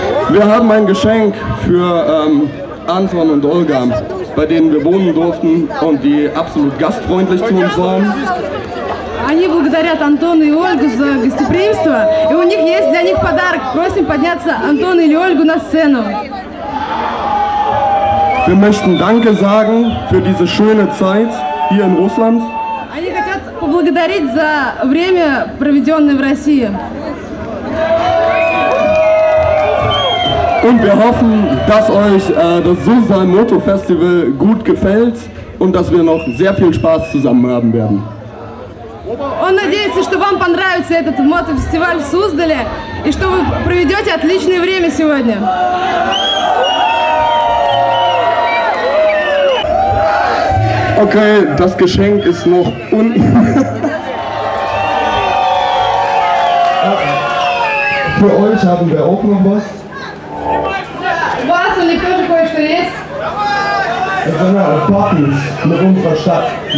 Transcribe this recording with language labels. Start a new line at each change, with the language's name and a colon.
German: Wir haben ein Geschenk für Anton und Olga, bei denen wir wohnen durften und die absolut gastfreundlich zu uns waren.
Russian: Они благодарят Антону и Ольгу за гостеприимство, и у них есть для них подарок. Просим подняться Антону или Ольгу на сцену.
German: Wir möchten Danke sagen für diese schöne Zeit hier in Russland.
Russian: Они хотят поблагодарить за время, проведенное в России.
German: Und wir hoffen, dass euch das Susan-Moto-Festival gut gefällt und dass wir noch sehr viel Spaß zusammen haben werden.
Russian: Он надеется, что вам понравится этот мотофестиваль в Суздале и что вы проведете отличное время сегодня.
German: Okay, das Geschenk ist noch Für euch haben wir auch noch was. Das sind ja auch Partys mit unserer Stadt.